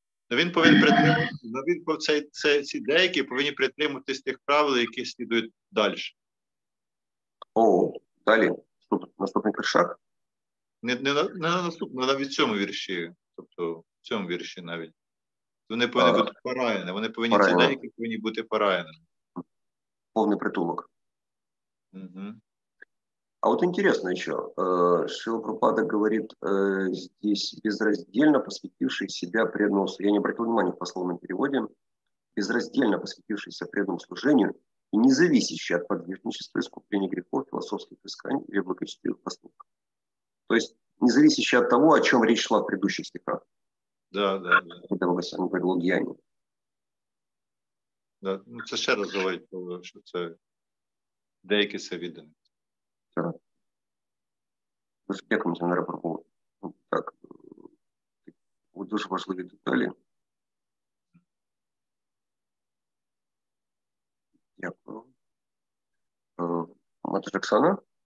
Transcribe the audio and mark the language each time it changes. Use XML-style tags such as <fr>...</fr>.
<uk>Він повинен притримувати, він ці деякі повинні притримуватись тих правил, які слідують далі. О, далі. Наступний шаг? Не на наступному, а навіть в цьому вірші. Тобто в цьому вірші навіть. Вони повинні бути параяни. Вони повинні ці деякі повинні бути параяними. Повний притулок. Угу.</uk> <ru>А вот интересно еще, Шрила Прабхупада говорит здесь, безраздельно посвятивший себя преданному служению, я не обратил внимания в пословном переводе, безраздельно посвятившийся преданному служению и не зависящий от подвижничества, искупления грехов, философских исканий или благочестивых поступков. То есть не зависящий от того, о чем речь шла в предыдущих стихах. Да, да. Когда Вагасян говорил о гьяне. Да, ну это еще раз говорит, что это деякие совиданы.</ru> <uk>Дякую, Нітяндра Прабху. Так, дуже важливі деталі. Дякую. Матуся Оксана?</uk>